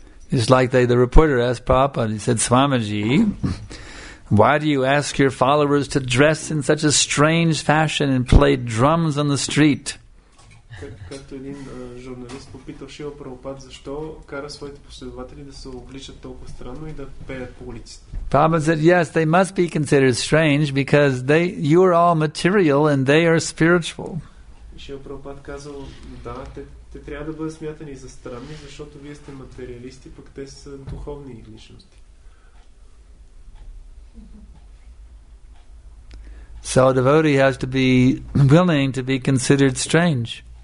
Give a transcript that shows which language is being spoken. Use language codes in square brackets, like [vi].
[en] It's like the reporter asked Prabhupada, he said, Swamiji, why do you ask your followers to dress in such a strange fashion and play drums on the street? [bg] Както един журналист попитал Шила Прабхупад защо кара своите последователи да се обличат толкова странно и да пеят по улиците. [en] Prabhupada said, yes, they must be considered strange because you are all material and they are spiritual. [bg] Шила Прабхупад казал, да, те трябва да бъдат смятани за странни, защото вие сте материалисти, пък те са духовни личности. [en] So a devotee has to be willing to be considered strange.